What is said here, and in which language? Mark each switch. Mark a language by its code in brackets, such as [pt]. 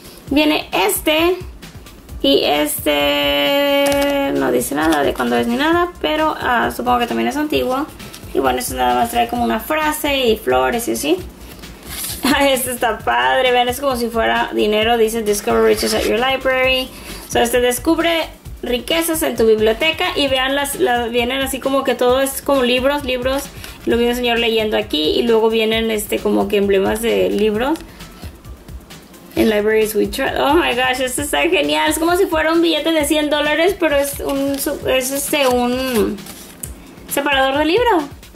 [es] Viene este. Y este no dice nada de cuándo es ni nada. Pero supongo que también es antiguo. Y bueno, esto nada más trae como una frase y flores y así. Este está padre. Vean, es como si fuera dinero. Dice [en] Discover Riches at Your Library. [es] So, este descubre riquezas en tu biblioteca. Y vean, las vienen así como que todo es como libros. Lo vi un señor leyendo aquí y luego vienen como que emblemas de libros. En [en] Libraries We Trust. Oh my gosh, [es] esto está genial. Es como si fuera un billete de $100, pero es un separador de libro.